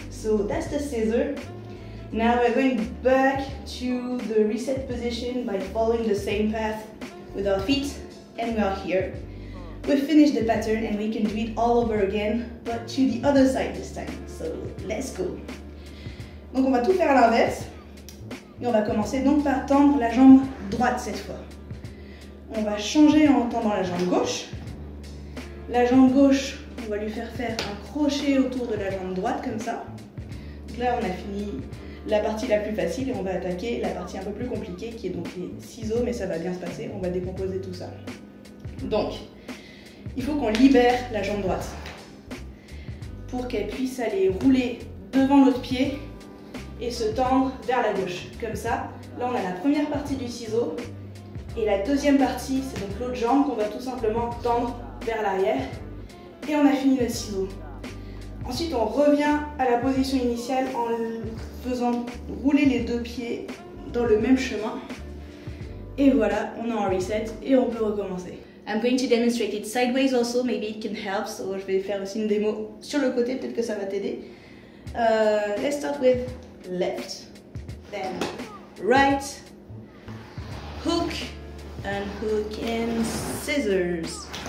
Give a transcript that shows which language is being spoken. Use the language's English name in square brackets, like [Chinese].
[English] So that's the scissor. Now we're going back to the reset position by following the same path with our feet. And we are here. We finished the pattern and we can do it all over again, but to the other side this time. So let's go. [French] Donc on va tout faire à l'inverse. Et on va commencer donc par tendre la jambe droite cette fois. On va changer en tendant la jambe gauche. La jambe gauche, on va lui faire faire un crochet autour de la jambe droite, comme ça. Donc là, on a fini la partie la plus facile et on va attaquer la partie un peu plus compliquée, qui est donc les ciseaux, mais ça va bien se passer, on va décomposer tout ça. Donc, il faut qu'on libère la jambe droite pour qu'elle puisse aller rouler devant l'autre pied et se tendre vers la gauche, comme ça. Là, on a la première partie du ciseau. Et la deuxième partie, c'est donc l'autre jambe qu'on va tout simplement tendre vers l'arrière. Et on a fini le ciseau. Ensuite, on revient à la position initiale en faisant rouler les deux pieds dans le même chemin. Et voilà, on est en reset et on peut recommencer. [English] I'm going to demonstrate it sideways also, maybe it can help. [French] So je vais faire aussi une démo sur le côté, peut-être que ça va t'aider. [English] Let's start with left, then right, hook, unhook and scissors.